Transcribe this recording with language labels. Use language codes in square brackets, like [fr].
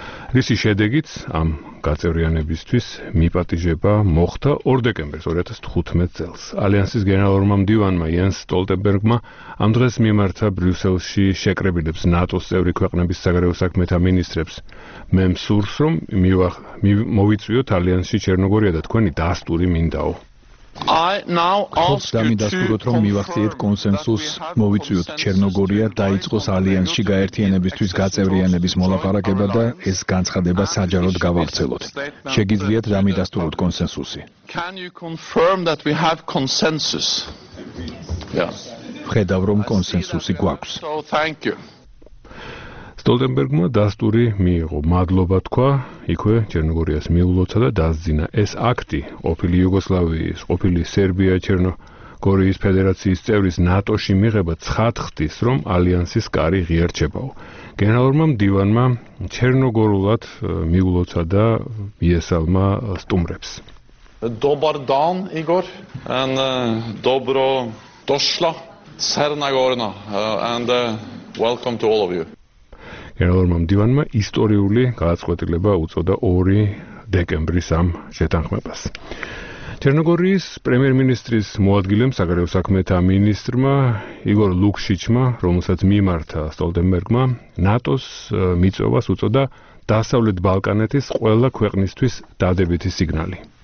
[ka] რისი შედეგიც ამ გაწევრიანებისთვის მიპატიჟება მოხდა 2 დეკემბერს 2015 წელს. ალიანსის გენერალურმა მდივანმა იენს სტოლტენბერგმა ამ დღეს მიმართა ბრიუსელში შეკრებილებს ნატოს წევრი ქვეყნების საგარეო საქმეთა მინისტრებს. მე მსურს, რომ მოვიწვიოთ ალიანსში ჩერნოგორია და თქვენი დასტური მინდაო. [en] I now ask you to confirm that we have consensus. [ka] მოვიწვიოთ ჩერნოგორია დაიწყოს ალიანსში გაერთიანებისთვის გაწევრიანების მოლაპარაკება და ეს განცხადება საჯაროდ გავავრცელოთ. შეგიძლიათ რამე დასტუროთ კონსენსუსი? [en] Can you confirm that we have consensus? Yes. [ka] ხედავ რომ კონსენსუსი გვაქვს. [en] So thank you. [ka] სტოლტენბერგმა დასტური მიიღო, მადლობა თქვა, იქვე ჩერნოგორიას მიულოცა და დაძინა. ეს აქტი ყოფილი იუგოსლავიის, ყოფილი სერბია ჩერნოგორიის ფედერაციის წევრის ნატოში მიღება ცხადხდის, რომ ალიანსის კარი ღიერჩებაო. გენერალურმა მდივანმა ჩერნოგორულად მიულოცა და ესალმა სტუმრებს. [sr] Добар дан, Игор. Ан добро дошла Черногорна. [en] And welcome to all of you. [ka] გენერალურმა მდივანმა ისტორიული გადაწყვეტილება უწოდა 2 დეკემბრის ამ შეთანხმებას. ჩერნოგორიის პრემიერ-მინისტრის მოადგილემ საგარეო საქმეთა მინისტრმა იგორ ლუკშიჩმა, რომელსაც მიმართა სტოლტენბერგმა, ნატოს მიწვევას უწოდა დასავლეთ ბალკანეთის ყველა ქვეყნისთვის დადებითი სიგნალი.